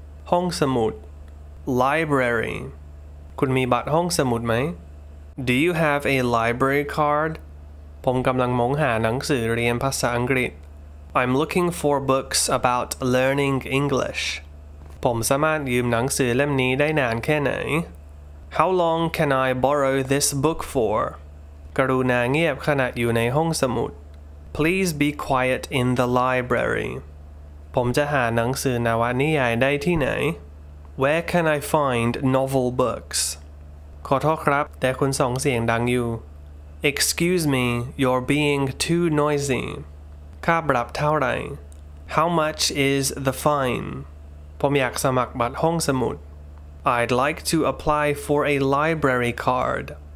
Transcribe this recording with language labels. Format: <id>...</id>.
<th>ห้องสมุด Library. คุณมีบัตรห้องสมุดไหม?</th> <en>Do you have a library card?</en> <th>ผมกำลังมองหาหนังสือเรียนภาษาอังกฤษ.</th> <en>I'm looking for books about learning English.</en> <th>ผมสามารถยืมหนังสือเล่มนี้ได้นานแค่ไหน?</th> <en>How long can I borrow this book for?</en> <th>กรุณาเงียบขณะอยู่ในห้องสมุด.</th> <en>Please be quiet in the library.</en> <th>ผมจะหาหนังสือนวนิยายได้ที่ไหน?</th> <en>Where can I find novel books?</en> <th>ขอโทษครับแต่คุณส่งเสียงดังอยู่</th> <en>Excuse me, you're being too noisy.</en> <th>ค่าปรับเท่าไหร่</th> <en>How much is the fine?</en> <th>ผมอยากสมัครบัตรห้องสมุด</th> <en>I'd like to apply for a library card.</en>